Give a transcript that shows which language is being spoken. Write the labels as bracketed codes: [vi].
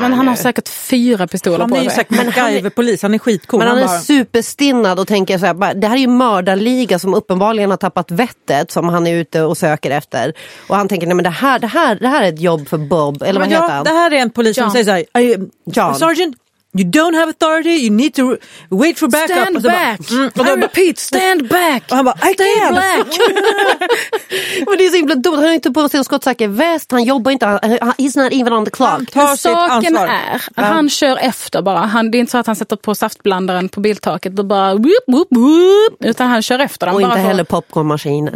[sv] Men han har säkert 4 pistoler på sig. Han är ju säkert MacGyver-polis, han är skitcool. Men han är superstinnad och tänker så här, bara, det här är ju mördarliga som uppenbarligen har tappat vettet som han är ute och söker efter. Och han tänker, nej men det här är ett jobb för Bob, eller men vad heter han? Det här är en polis John. Som säger så här, John. [en] Sergeant, you don't have authority, you need to wait for backup. Stand back! Bara, I repeat, stand back! [sv] Och han bara, [en] stand I can't! Back. [sv] Men det är så himla dumt, han är inte på sig en skottsäker väst, han jobbar inte, [en] he's not even on the clock. [sv] Men saken ansvar. Är, han kör efter bara, det är inte så att han sätter på saftblandaren på biltaket och bara, whoop, whoop, whoop, utan han kör efter. Han och bara inte heller popcornmaskinen.